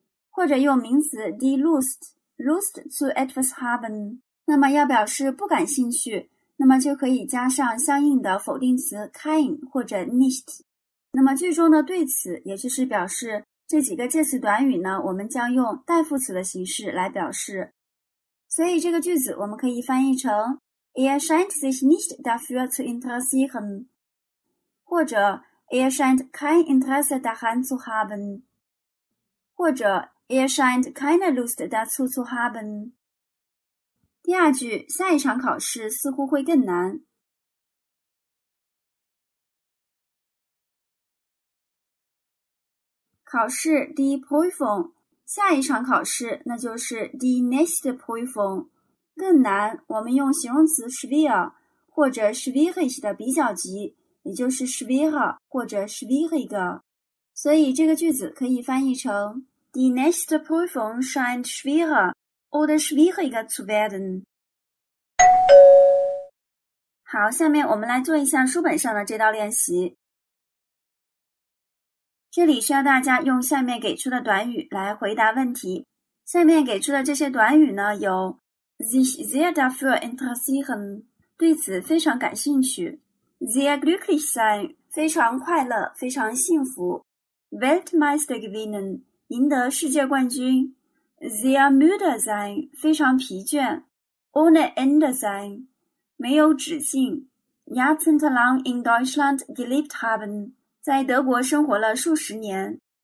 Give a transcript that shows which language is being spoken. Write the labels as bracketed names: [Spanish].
[Chinese] 或者用名词 [German] die Lust zu etwas haben， [Chinese] 那么要表示不感兴趣，那么就可以加上相应的否定词 kein 或者 nicht。那么句中的对此，也就是表示这几个介词短语呢，我们将用代副词的形式来表示。所以这个句子我们可以翻译成 [German] Er scheint sich nicht dafür zu interessieren， 或者 Er scheint kein Interesse daran zu haben，或者 Er scheint keine Lust dazu zu haben。 [Chinese] 第二句，下一场考试似乎会更难。考试 Die Prüfung 下一场考试，那就是 die nächste Prüfung。更难，我们用形容词 schwer 或者 schwierig 的比较级，也就是 schwerer 或者 schwieriger。所以这个句子可以翻译成 [German] die nächste Prüfung scheint schwerer oder schwieriger zu werden。 [Chinese] 好，下面我们来做一下书本上的这道练习。这里需要大家用下面给出的短语来回答问题。下面给出的这些短语呢，有 [German] sich sehr dafür interessieren， [Chinese] 对此非常感兴趣； [German] sehr glücklich sein， [Chinese] 非常快乐，非常幸福； [German] Weltmeister gewinnen， [Chinese] 赢得世界冠军； [German] sehr müde sein， [Chinese] 非常疲倦； [German] ohne Ende sein， [Chinese] 没有止境； [German] jahrzehntelang in Deutschland gelebt haben， [Chinese] 在德国生活了数十年。